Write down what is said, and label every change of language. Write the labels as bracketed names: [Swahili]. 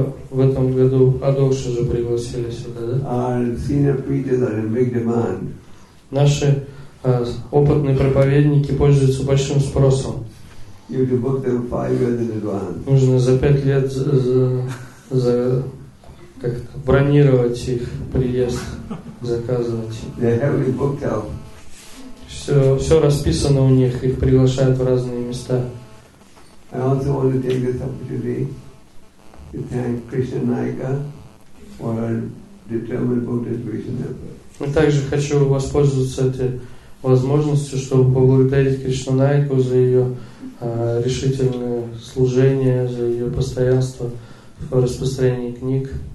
[Russian] В этом году Адокши же пригласили сюда, да? Наши опытные проповедники пользуются большим спросом. [English] You have to book them 5 years in advance. [Russian] Нужно за 5 лет за как-то бронировать их приезд, заказывать. [English] They're heavily booked out. [Russian] Все расписано у них, их приглашают в разные места. [English] I also want to take this opportunity to thank Krishna Naika for our determined participation effort. [Russian] И также хочу воспользоваться этой возможностью, чтобы поблагодарить Кришну Найку за ее решительное служение, за ее постоянство в распространении книг.